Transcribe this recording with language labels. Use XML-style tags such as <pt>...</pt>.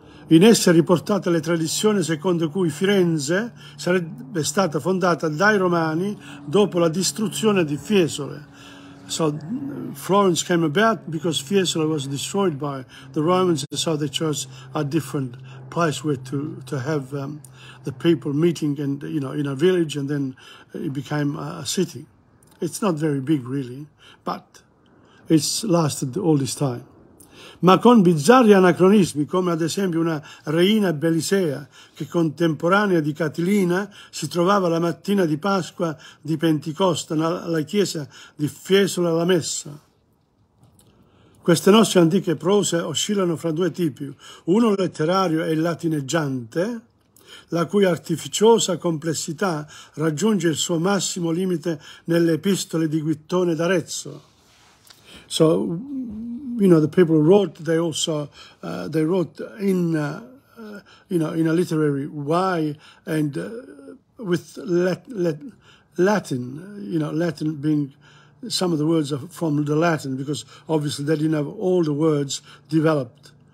<it>In essa è riportata la tradizione secondo cui Firenze sarebbe stata fondata dai Romani dopo la distruzione di Fiesole.</it> <en>So Florence came about because Fiesole was destroyed by the Romans, so they chose a different place where to have the people meeting, and, you know, in a village, and then it became a city. It's not very big, really, but it's lasted all this time.</en> <it>Ma con bizzarri anacronismi, come ad esempio una reina Belisea che, contemporanea di Catilina, si trovava la mattina di Pasqua di Pentecoste alla chiesa di Fiesole alla messa. Queste nostre antiche prose oscillano fra due tipi, uno letterario e latineggiante, la cui artificiosa complessità raggiunge il suo massimo limite nelle epistole di Guittone d'Arezzo.</it> <en>So, you know, the people who wrote, they also, they wrote in a literary way, and with Latin, you know, Latin being, some of the words are from the Latin, because obviously they didn't have all the words developed.</en>